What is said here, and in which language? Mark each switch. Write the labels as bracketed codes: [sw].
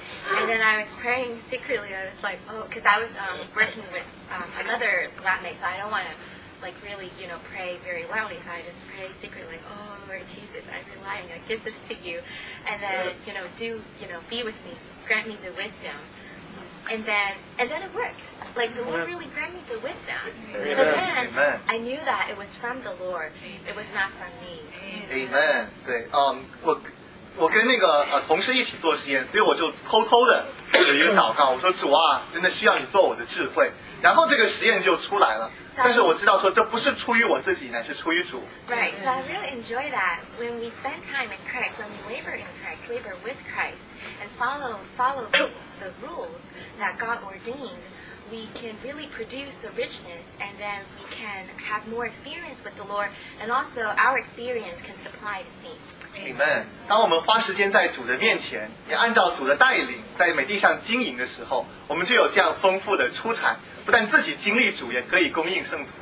[en] And then I was praying secretly. I was like, oh, because I was working with another lab mate, so I don't want to like really, you know, pray very loudly. So I just pray secretly, like, oh Lord Jesus, I rely on you. I give this to you, and then you know, do you know, be with me, grant me the wisdom. And then it worked. Like, the Lord really granted me the wisdom. Amen. So then, Amen. I knew that it was from the Lord. It was not from me. Amen. [zh] 对，我跟那个同事一起做实验，所以我就偷偷的有一个祷告，我说主啊，真的需要你做我的智慧。然后这个实验就出来了，但是我知道说这不是出于我自己，乃是出于主。 [en] Right, so I really enjoy that when we spend time in Christ, when we labor in Christ, labor with Christ, and follow the rules that God ordained, we can really produce the richness, and then we can have more experience with the Lord, and also our experience can supply the seed. Amen. [zh] 当我们花时间在主的面前，也按照主的带领在每地上经营的时候，我们就有这样丰富的出产，不但自己经历主，也可以供应圣徒。